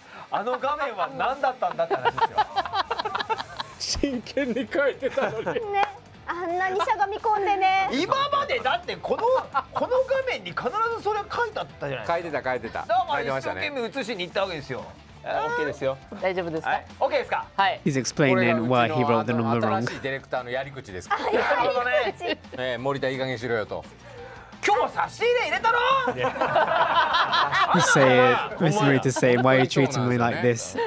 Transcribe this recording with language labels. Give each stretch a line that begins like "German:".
Japanese: あの画面は何だったんだって話ですよ。真剣に描いてたのに。ね、あんなにしゃがみ込んでね。今までだってこの画面に必ずそれ描いてあったじゃないですか。描いてた、描いてた。どうも、一生懸命写しに行ったわけですよ。 OK ですよ。大丈夫ですか。 OK ですか。はい。
English: He's explaining why he wrote the number wrong。
Japanese: 新しいディレクターのやり口ですか。やり口。ね、森田いい加減しろよと。今日差し入れ入れたの。
English: He said, Mr. Morita said, why are you treating me like this?